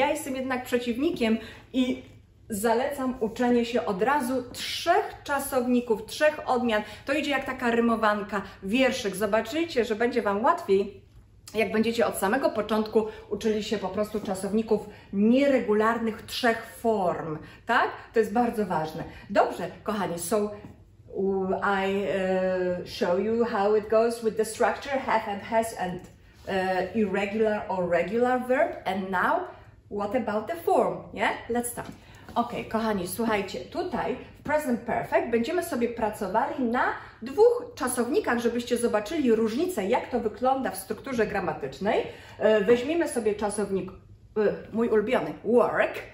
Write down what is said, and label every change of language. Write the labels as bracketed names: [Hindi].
[Polish] Ja jestem jednak przeciwnikiem i zalecam uczenie się od razu trzech czasowników, trzech odmian. To idzie jak taka rymowanka, wierszyk. Zobaczycie, że będzie Wam łatwiej, jak będziecie od samego początku uczyli się po prostu czasowników nieregularnych trzech form, tak? To jest bardzo ważne. Dobrze, kochani, [English] so I show you how it goes with the structure have and has and irregular or regular verb. And now, what about the form? Yeah, let's start. [Polish] Ok, kochani, słuchajcie, tutaj w present perfect będziemy sobie pracowali na dwóch czasownikach, żebyście zobaczyli różnicę, jak to wygląda w strukturze gramatycznej. Weźmiemy sobie czasownik, mój ulubiony, work.